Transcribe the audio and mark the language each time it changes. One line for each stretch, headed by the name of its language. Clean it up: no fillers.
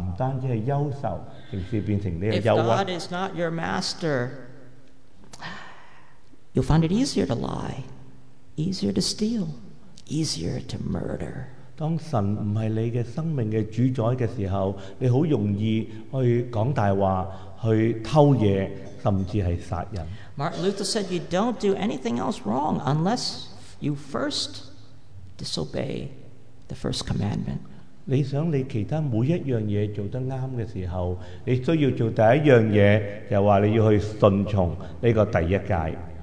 Cantonese: 如果你不將神作為你生命的主人的時候，你就會很容易有一些不義的怒氣，亦都有多時候你的恐懼大到一個地步，你不可以控制，亦都變成了你很多時候不單止是憂愁，甚至變成你的憂鬱。
English: If God is not your master, you'll find it easier to lie, easier to steal, easier to murder.
Cantonese: 當神不是你的生命的主宰的時候，你好容易去講大話、去偷嘢，甚至係殺人。
English: Martin Luther said you don't do anything else wrong unless you first disobey the first commandment.
Cantonese: 你想你其他每一樣嘢做得啱嘅時候，你需要做第一樣嘢，又話你要去順從呢個第一戒。